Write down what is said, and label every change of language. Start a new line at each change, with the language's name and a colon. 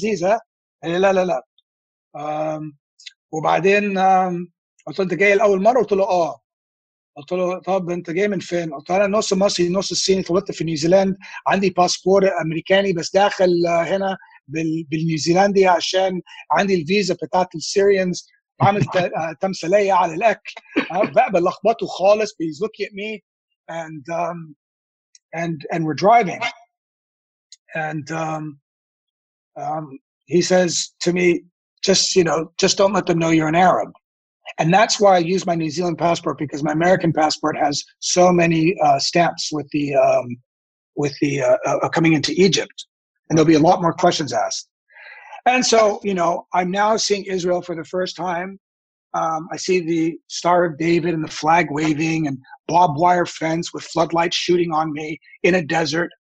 English: He said, no, no, no. And then I said, you're going to the first time? I said, oh.
Arabic: قلت له طب انت جاي من فين؟ قلت له انا نص مصري نص صيني اتولدت في نيوزيلاند عندي باسبور امريكاني بس داخل هنا بالنيوزيلندي عشان عندي الفيزا بتاعت السيريانز عملت تمثيليه على الاكل بلخبطه خالص
English: he's looking at me and we're driving and he says to me just don't let them know you're an Arab. And that's why I use my New Zealand passport, because my American passport has so many stamps with the coming into Egypt. And there'll be a lot more questions asked. And so, you know, I'm now seeing Israel for the first time. I see the Star of David and the flag waving and barbed wire fence with floodlights shooting on me in a desert.